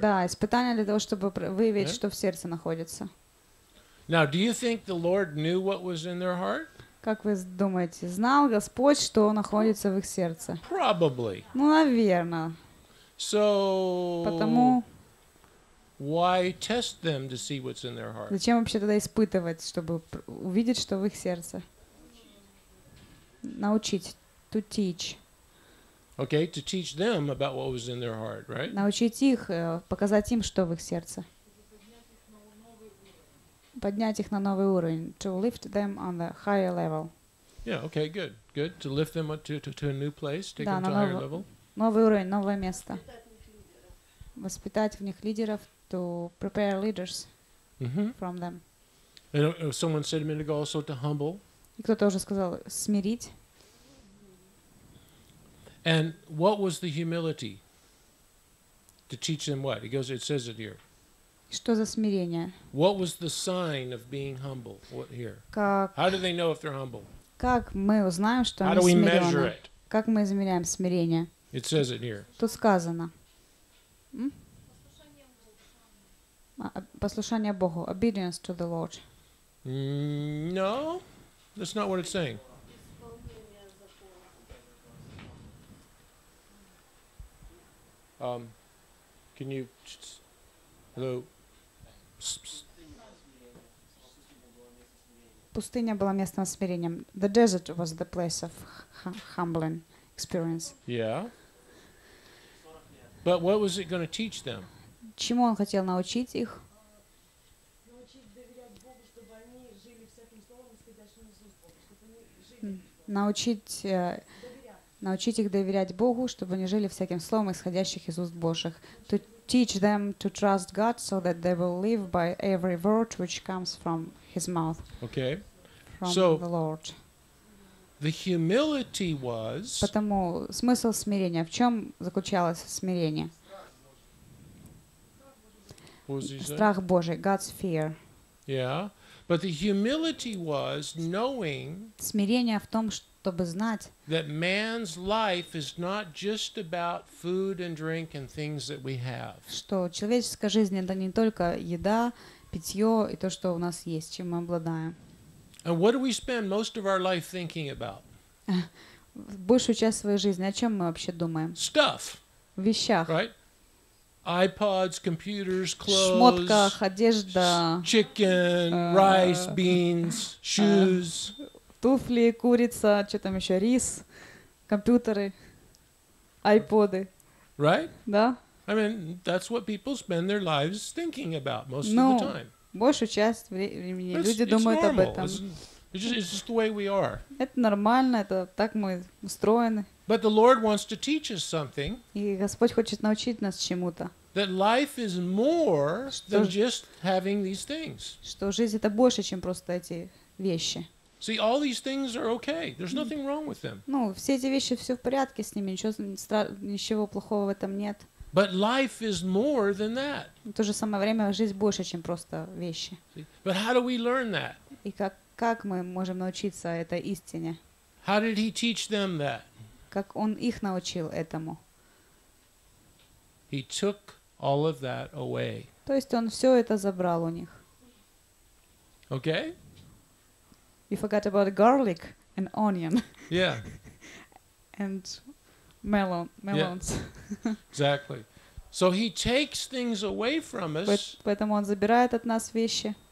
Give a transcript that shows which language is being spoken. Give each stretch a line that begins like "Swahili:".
Russian: Да, испытание для того, чтобы выявить, yeah. что в сердце находится.
English: Now, do you think the Lord knew what was in their heart?
Russian: Как вы думаете, знал Господь, что находится в их сердце?
English: Probably.
Russian: Ну, наверное.
English: So,
Russian: потому
English: why test them to see what's in their heart?
Russian: Зачем вообще тогда испытывать, чтобы увидеть, что в их сердце? Научить.
English: To teach. Okay, to teach them about what was in their heart, right?
Russian: Научить их, показать им, что в их сердце. Поднять их на новый уровень.
English: To lift them on the higher level. Yeah, okay, good. Good. To lift them to a new place, take them to higher level.
Russian: Новый уровень, новое место. Воспитать в них лидеров,
English: to prepare leaders from them. And someone said a minute ago also to humble.
Russian: И кто-то уже сказал смирить.
English: And what was the humility? To teach them what? It says it here.
Russian: Что за смирение?
English: What was the sign of being humble? What here?
Russian: Как?
English: How do they know if they're humble?
Russian: Как мы узнаем, что они смиренны?
English: How do we measure it?
Russian: Как мы измеряем смирение?
English: It says it here.
Russian: Тут сказано. Послушание Богу.
English: Obedience to the Lord. No, that's not what it's saying. Can you? Hello.
Russian: Пустыня была местом смирения.
English: The desert was the place of humbling experience. Yeah. But what was it going to teach them?
Russian: Чему он хотел научить их? Научить их доверять Богу, чтобы они жили всяким словом, исходящих из уст Божьих.
English: To teach them to trust God so that they will live by every word which comes from His mouth. Okay. From so, the Lord. The humility was...
Russian: Потому смысл смирения. В чем заключалось смирение? Страх Божий.
English: God's fear. Yeah. But the humility was knowing...
Russian: Смирение в том, что... чтобы знать,
English: that man's life is not just about food and drink and things that we have.
Russian: Что человеческая жизнь — это не только еда, питье и то, что у нас есть, чем мы обладаем.
English: And what do we spend most of our life thinking about?
Russian: Большую часть своей жизни о чем мы вообще думаем?
English: Stuff.
Russian: В вещах.
English: Right? iPods, computers, clothes.
Russian: Шмотках, одежда.
English: Chicken, rice, beans, shoes.
Russian: Туфли, курица, что там еще, рис, компьютеры, айподы.
English: Right?
Russian: Да.
English: I mean, that's what people spend their lives thinking about most
Russian: ну,
English: of the time.
Russian: Ну, большую часть времени
English: it's,
Russian: люди
English: it's
Russian: думают
English: normal.
Russian: Об этом.
English: It's just the way we are.
Russian: Это нормально, это так мы устроены.
English: But the Lord wants to teach us something.
Russian: И Господь хочет научить нас чему-то.
English: That life is more than just having these things.
Russian: Что жизнь — это больше, чем просто эти вещи.
English: See, all these things are okay. There's nothing wrong with them.
Russian: Ну, все эти вещи, все в порядке с ними. Ничего плохого в этом нет.
English: But life is more than that.
Russian: В то же самое время жизнь больше, чем просто вещи.
English: But how do we learn that?
Russian: И как мы можем научиться этой истине?
English: How did he teach them that?
Russian: Как он их научил этому?
English: He took all of that away.
Russian: То есть он все это забрал у них.
English: Okay? You forgot about garlic and onion. Yeah. And melons. Yeah. Exactly. So he takes things away from us.
Russian: Поэтому он забирает от нас вещи.